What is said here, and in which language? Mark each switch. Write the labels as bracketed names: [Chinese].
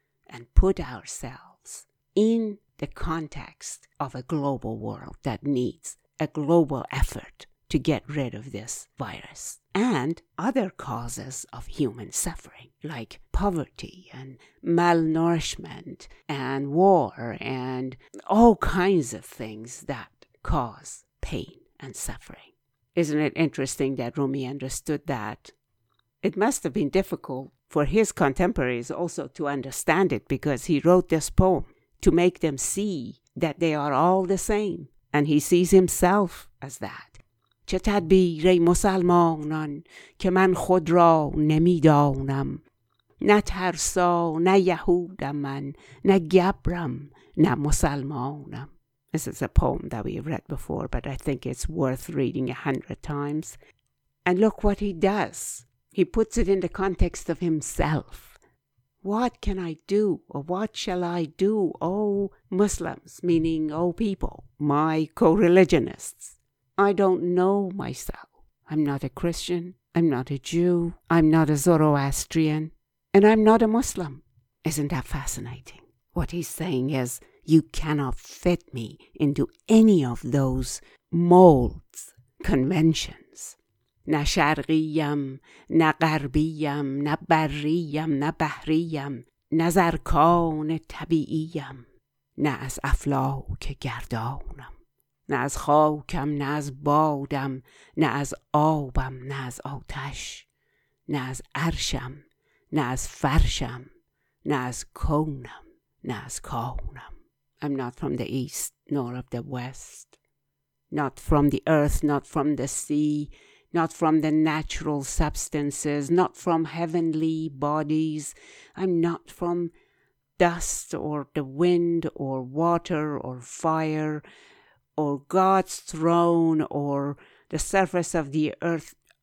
[English] and put ourselves in the context of a global world that needs a global effort to get rid of this virus and other causes of human suffering, like poverty and malnourishment and war and all kinds of things that cause pain and suffering. Isn't it interesting that Rumi understood that? It must have been difficult for his contemporaries also to understand it, because he wrote this poem to make them see that they are all the same, and he sees himself as that. [Persian] چه تدبیر مسلمانان که من خود را نمیدانم نه ترسا نه یهودم من نه گبرم نه مسلمانم. [English] This is a poem that we have read before, but I think it's worth reading 100 times. And look what he does. He puts it in the context of himself. What can I do? Or what shall I do? Oh, Muslims, meaning oh, people, my co-religionists. I don't know myself. I'm not a Christian. I'm not a Jew. I'm not a Zoroastrian. And I'm not a Muslim. Isn't that fascinating? What he's saying is, you cannot fit me into any of those molds, conventions. [Persian] نه شرقیم، نه غربیم، نه بریم، نه بحریم، نه زرکان طبیعیم، نه از افلاک گردانم، نه از خاکم، نه از بادم، نه از آبم، نه از آتش، نه از عرشم، نه از فرشم، نه از کونم، نه از کانم. [English] I'm not from the east, nor of the west, not from the earth, not from the sea, not from the natural substances, not from heavenly bodies. I'm not from dust or the wind or water or fire or God's throne or the surface of the earth.